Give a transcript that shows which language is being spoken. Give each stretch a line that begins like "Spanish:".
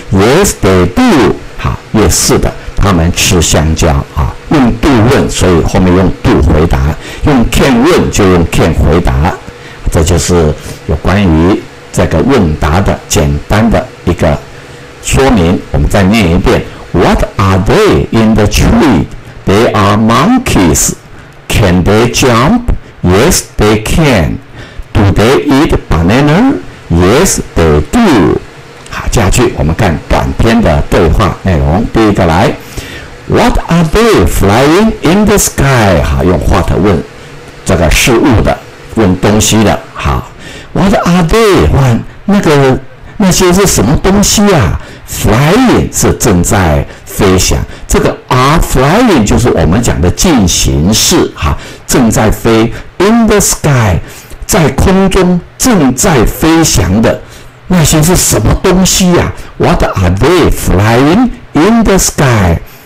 English: Yes, they do.
Chinese: 好， Yes, 是的，他们吃香蕉啊，用 do 问，所以后面用 do 回答，用 can 问就用 can 回答，这就是有关于这个问答的简单的一个说明。我们再念一遍
English: ：What are they in the tree? They are monkeys. Can they jump? Yes, they can. Do they eat banana? Yes, they do.
Chinese: 好，下去我们看短篇的对话内容。第一个来。
English: What are they flying in the sky?
Chinese: 好，用 what 问这个事物的，问东西的。好，
English: What are they?
Chinese: 问那些是什么东西啊？ Flying 是正在飞翔，这个 are flying 就是我们讲的进行式，好，正在飞。
English: In the sky
Chinese: 在空中正在飞翔的那些是什么东西啊？
English: What are they flying in the sky?